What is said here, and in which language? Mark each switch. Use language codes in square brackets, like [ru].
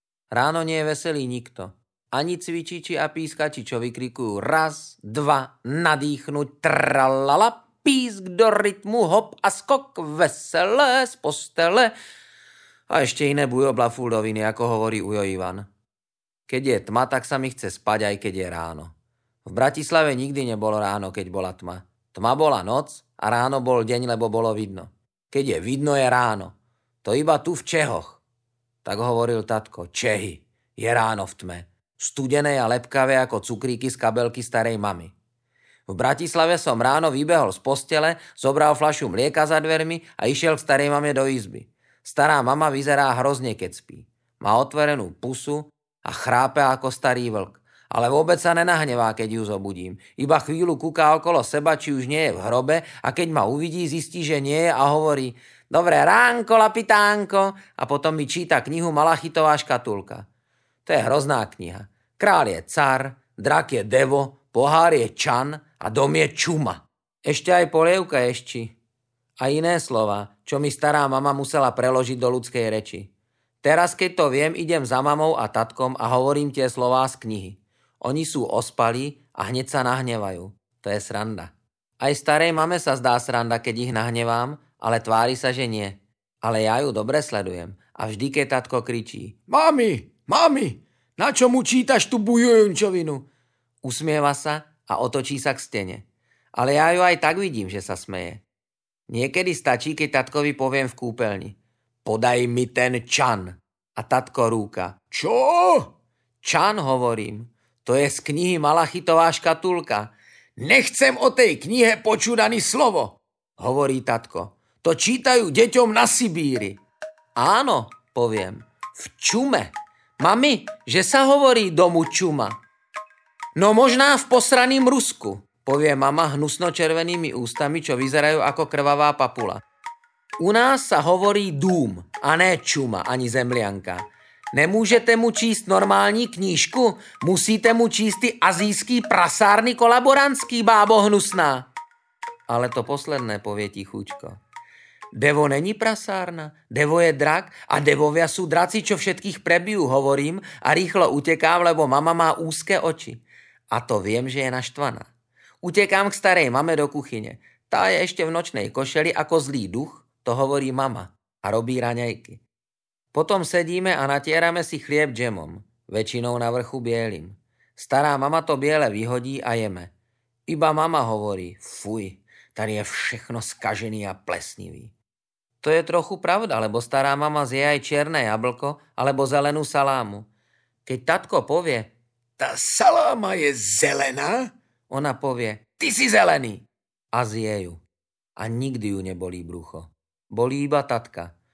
[sk] Ráno nie je veselý nikto. Ani cvičiči a pískači, čo vykrikujú raz, dva, nadýchnuť, tralala, písk do rytmu, hop a skok, veselé z postele. A ešte iné bujobla fuldoviny, ako hovorí Ujo Ivan. Keď je tma, tak sa mi chce spať, aj keď je ráno. V Bratislave nikdy nebolo ráno, keď bola tma. Tma bola noc a ráno bol deň, lebo bolo vidno. Keď je vidno, je ráno. To iba tu v Čechoch. Tak hovoril tatko, Čehy, je ráno v tme. Studené a lepkavé ako cukríky z kabelky starej mamy. V Bratislave som ráno vybehol z postele, zobral fľašu mlieka za dvermi a išiel k starej mame do izby. Stará mama vyzerá hrozne, keď spí. Má otvorenú pusu a chrápe ako starý vlk. Ale vôbec sa nenahnevá, keď ju zobudím. Iba chvíľu kúká okolo seba, či už nie je v hrobe, a keď ma uvidí, zistí, že nie je, a hovorí: "Dobré ránko, lapitánko." A potom mi číta knihu Malachitová škatulka. To je hrozná kniha. Král je car, drak je devo, pohár je čan a dom je čuma. Ešte aj polievka ešči. A iné slova, čo mi stará mama musela preložiť do ľudskej reči. Teraz, keď to viem, idem za mamou a tatkom a hovorím tie slová z knihy. Oni sú ospalí a hneď sa nahnevajú. To je sranda. Aj starej mame sa zdá sranda, keď ich nahnevám, ale tvári sa, že nie. Ale ja ju dobre sledujem. A vždy, keď tatko kričí: "Mami! Mami, na čo mu čítaš tú bujujunčovinu?" Usmieva sa a otočí sa k stene. Ale ja ju aj tak vidím, že sa smeje. Niekedy stačí, keď tatkovi poviem v kúpeľni: "Podaj mi ten čan." A tatko rúka: "Čo?" "Čan," hovorím. "To je z knihy Malachitová škatulka." "Nechcem o tej knihe počuť ani slovo," hovorí tatko. "To čítajú deťom na Sibíri." "Áno," poviem. "V čume. Mami, že sa hovorí domu čuma?" [cs] "No možná v posraným Rusku," [sk] povie mama hnusno červenými ústami, čo vyzerajú ako krvavá papula. [cs] "U nás sa hovorí dům, a ne čuma, ani zemlianka. Nemôžete mu číst normální knížku? Musíte mu číst ty azijský prasárny kolaborantský, bábo hnusná." [sk] Ale to posledné povie tichučko. [cs] "Devo není prasárna, [sk] devo je drak a devovia sú draci, čo všetkých prebijú," hovorím a rýchlo utekám, lebo mama má úzke oči. A to viem, že je naštvaná. Utekám k starej mame do kuchyne. Tá je ešte v nočnej košeli ako zlý duch, to hovorí mama a robí raňajky. Potom sedíme a natierame si chlieb džemom, väčšinou na vrchu bielým. Stará mama to biele vyhodí a jeme. Iba mama hovorí: [cs] "Fuj, tady je všechno skažený a plesnivý." [sk] To je trochu pravda, lebo stará mama zje aj čierne jablko alebo zelenú salámu. Keď tatko povie: "Tá saláma je zelená," ona povie: "Ty si zelený," a zje ju. A nikdy ju nebolí brucho. Bolí iba tatka.